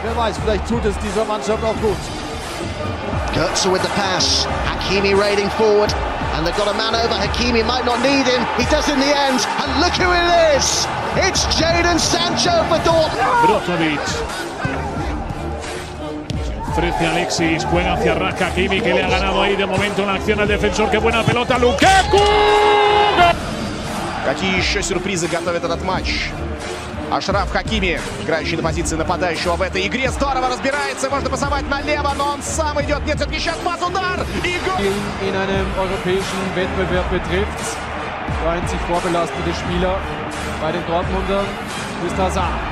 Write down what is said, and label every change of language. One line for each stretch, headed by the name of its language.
German: Wer weiß, vielleicht tut es dieser Mannschaft auch gut.
English: Götze with the pass, Hakimi raiding forward, and they've got a man over, Hakimi might not need him, he does in the end, and look who it is! It's Jadon Sancho for Dortmund! Brozovic.
Spanish: Frente Alexis, buena hacia Raka, Hakimi que le ha ganado ahí de momento una acción al defensor, que buena pelota, Lukaku!
Russian: Какие еще сюрпризы готовит этот матч? Ашраф Хакими, играющий на позиции нападающего в этой игре, здорово разбирается, можно пасовать налево, но он сам идет, нет, все-таки сейчас пас, удар, и гол!
German: In einem europäischen Wettbewerb betrifft, freuen sich vorbelastete Spieler bei den Dortmundern, ist Hazard.